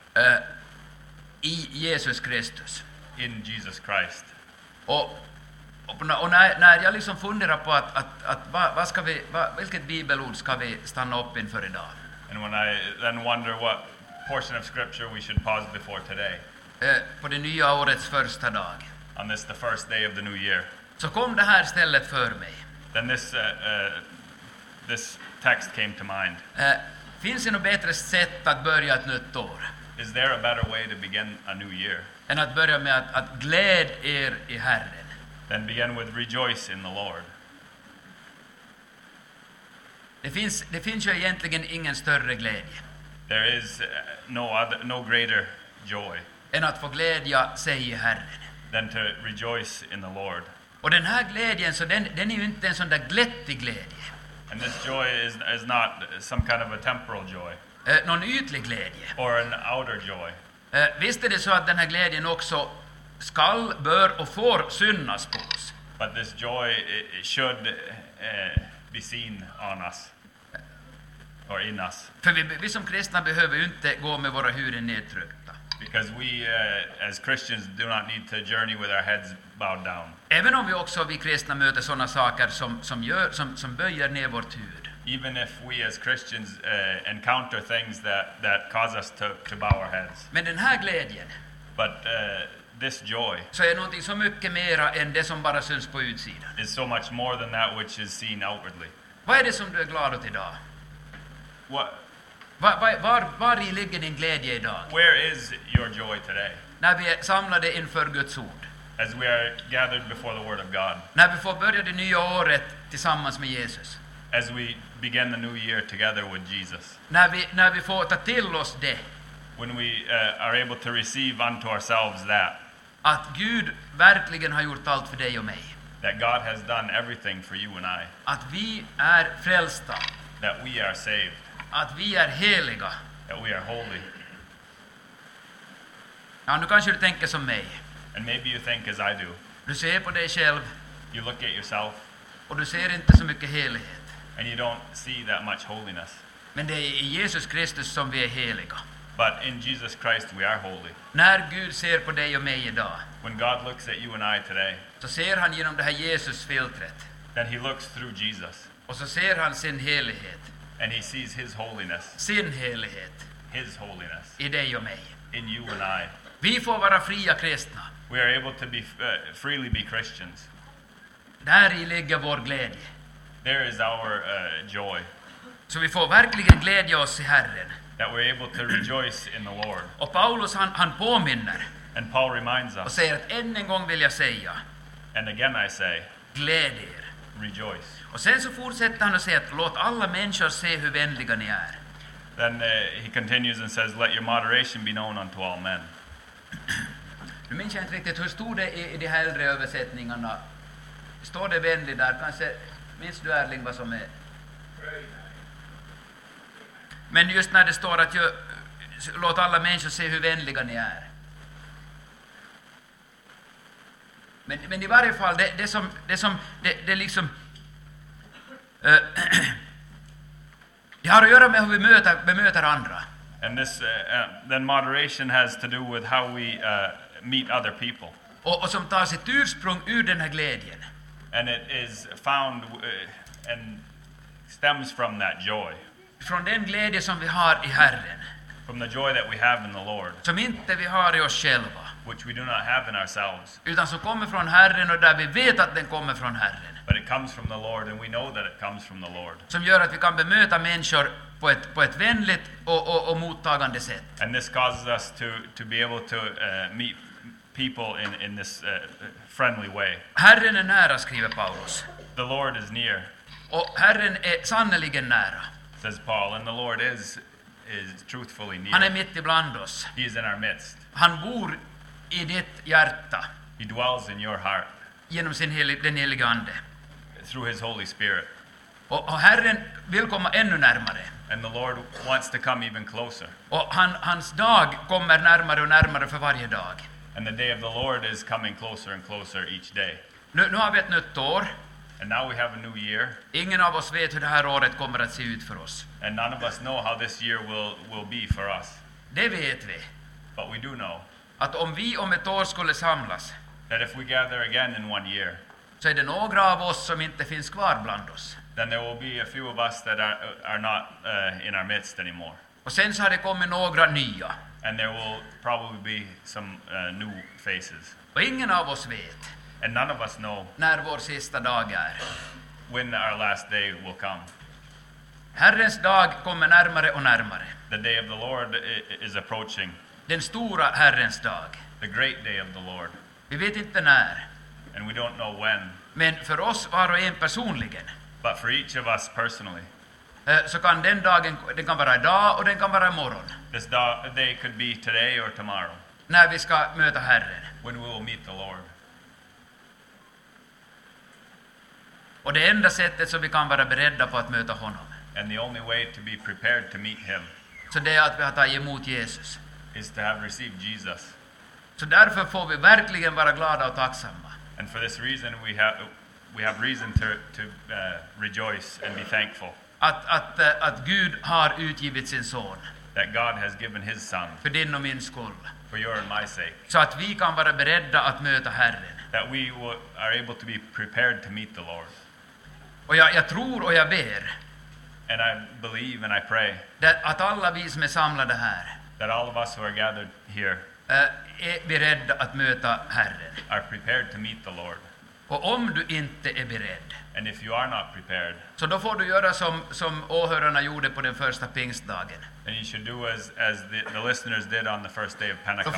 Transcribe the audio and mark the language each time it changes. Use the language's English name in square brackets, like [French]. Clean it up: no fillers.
[Swedish] I Jesus Kristus. [English] In Jesus Christ. [Swedish] Och när jag liksom funderar på att vad ska vi, vilket bibelord ska vi stanna upp inför idag? [English] And when I then wonder what portion of scripture we should pause before today. [Swedish] På det nya årets första dag. [English] On this the first day of the new year. [Swedish] Så kom det här stället för mig. [English] Then this text came to mind. [Swedish] Finns det något bättre sätt att börja ett nytt år? [English] Is there a better way to begin a new year? [Swedish] Än att börja med att gläd er i Herren. [English] Then begin with rejoice in the Lord. [Swedish] Det finns ju egentligen ingen större glädje. [English] There is no greater joy. [Swedish] Än att få glädja sig i Herren. [English] Than to rejoice in the Lord. [Swedish] Och den här glädjen så den är ju inte en sån där glättig glädje. [English] And this joy is not some kind of a temporal joy. [Swedish] Någon ytlig glädje. [English] Or an outer joy. [Swedish] Visst är det så att den här glädjen också skall, bör och får synas på oss. [English] But this joy should be seen on us. Or in us. [Swedish] För vi som kristna behöver ju inte gå med våra huvuden nedtryckta. [English] Because we as Christians do not need to journey with our heads bowed down. [Swedish] Även om vi kristna möter såna saker som böjer ner vårt huvud. [English] Even if we as Christians encounter things that cause us to bow our heads. [Swedish] Men den här glädjen. [English] But this joy. [Swedish] Så är någonting så mycket mer än det som bara syns på utsidan. [English] It's so much more than that which is seen outwardly. [Swedish] Vad är det som du är glad åt idag? [English] What? [Swedish] Var ligger din glädje idag? [English] Where is your joy today? [Swedish] När vi är samlade inför Guds ord. [English] As we are gathered before the word of God. [Swedish] När vi får börja det nya året tillsammans med Jesus. [English] As we begin the new year together with Jesus. [Swedish] När vi får ta till oss det. [English] When we are able to receive unto ourselves that. [Swedish] Att Gud verkligen har gjort allt för dig och mig. [English] That God has done everything for you and I. [Swedish] Att vi är frälsta. [English] That we are saved. [Swedish] Att vi är heliga. [English] That we are holy. [Swedish] Ja, nu kanske du tänker som mig. [English] And maybe you think as I do. [Swedish] Du ser på dig själv. [English] You look at yourself. [Swedish] Och du ser inte så mycket helighet. [English] And you don't see that much holiness. [Swedish] Men det är i Jesus Kristus som vi är heliga. [English] But in Jesus Christ we are holy. [Swedish] När Gud ser på dig och mig idag. [English] When God looks at you and I today. [Swedish] Så ser han genom det här Jesusfiltret. [English] Then he looks through Jesus. [Swedish] Och så ser han sin helighet. [English] And he sees his holiness. [Swedish] Sin helighet. [English] His holiness. [Swedish] I dig och mig. [English] In you and I. [Swedish] Vi får vara fria kristna. [English] We are able to be freely be Christians. [Swedish] Där i ligger vår glädje. [English] There is our joy. [Swedish] Så vi får verkligen glädja oss i Herren. [English] That we're able to rejoice in the Lord. [Swedish] Och Paulus han påminner. [English] And Paul reminds us. [Swedish] Och säger att än en gång vill jag säga. [English] And again I say. [Swedish] Gläd er. [English] Rejoice. [Swedish] Och sen så fortsätter han och säger att låt alla människor se hur vänliga ni är. [English] Then he continues and says, let your moderation be known unto all men. [Swedish] Nu minns jag inte riktigt, hur stod det i de här äldre översättningarna? Står det vänlig där? Kanske, minns du Erling vad som är? Men just när det står att låt alla människor se hur vänliga ni är. Men i varje fall, det har att göra med hur vi bemöter andra. [English] And this then moderation has to do with how we meet other people. [Swedish] Och som tar sitt ursprung ur den här glädjen. [English] And it is found and stems from that joy. [Swedish] Från den glädje som vi har i Herren. [English] From the joy that we have in the Lord. [Swedish] Som inte vi har i oss själva. [English] Which we do not have in ourselves. [Swedish] Utan som kommer från Herren och där vi vet att den kommer från Herren. [English] But it comes from the Lord and we know that it comes from the Lord. [Swedish] Som gör att vi kan bemöta människor på ett vänligt och mottagande sätt. [English] And this causes us to be able to meet people in this friendly way. [Swedish] Herren är nära, skriver Paulus. [English] The Lord is near. [Swedish] Och Herren är sannoliken nära. [English] Says Paul, and the Lord is truthfully near. [Swedish] Han är mitt ibland oss. [English] He is in our midst. [Swedish] Han bor i ditt hjärta. [English] He dwells in your heart. [Swedish] Genom sin den helige ande. [English] Through his Holy Spirit. [Swedish] Och Herren vill komma ännu närmare. [English] And the Lord wants to come even closer. [Swedish] Och hans dag kommer närmare och närmare för varje dag. [English] And the day of the Lord is coming closer and closer each day. [Swedish] Nu har vi ett nytt år. [English] And now we have a new year. [Swedish] Ingen av oss vet hur det här året kommer att se ut för oss. [English] And none of us know how this year will be for us. [Swedish] Det vet vi. [English] But we do know. [Swedish] Att om vi om ett år skulle samlas. [English] That if we gather again in one year. [Swedish] Så är det några av oss som inte finns kvar bland oss. [English] Then there will be a few of us that are not in our midst anymore. [Swedish] Och sen så har det kommit några nya. [English] And there will probably be some new faces. [Swedish] Och ingen av oss vet. [English] And none of us know. [Swedish] När vår sista dag är. [English] When our last day will come. [Swedish] Herrens dag kommer närmare och närmare. [English] The day of the Lord is approaching. [Swedish] Den stora Herrens dag. [English] The great day of the Lord. [Swedish] Vi vet inte när. [English] And we don't know when. [Swedish] Men för oss var och en personligen. [English] But for each of us personally. [Swedish] Så kan den dagen, den kan vara idag och den kan vara imorgon. [English] This day could be today or tomorrow. [Swedish] När vi ska möta Herren. [English] When we will meet the Lord. [Swedish] Och det enda sättet som vi kan vara beredda på att möta honom. [English] And the only way to be prepared to meet him. [Swedish] Så det är att vi har tagit emot Jesus. [English] Is to have received Jesus. [Swedish] Så därför får vi verkligen vara glada och tacksamma. [English] And for this reason we have reason to rejoice and be thankful. [Swedish] Att Gud har utgivit sin son. [English] That God has given his son. [Swedish] För din och min skull. [English] For your and my sake. [Swedish] Så att vi kan vara beredda att möta Herren. [English] That we are able to be prepared to meet the Lord. [Swedish] Och jag tror och jag ber. [English] And I believe and I pray. [Swedish] Att alla vi som är samlade här. [English] That all of us who are gathered here. [Swedish] är beredd att möta Herren. [English] Are prepared to meet the Lord. [Swedish] Och om du inte är beredd. [English] And if you are not prepared. [Swedish] Så då får du göra som åhörarna gjorde på den första pingstdagen. [English] And you should do as the listeners did on the first day of Pentecost.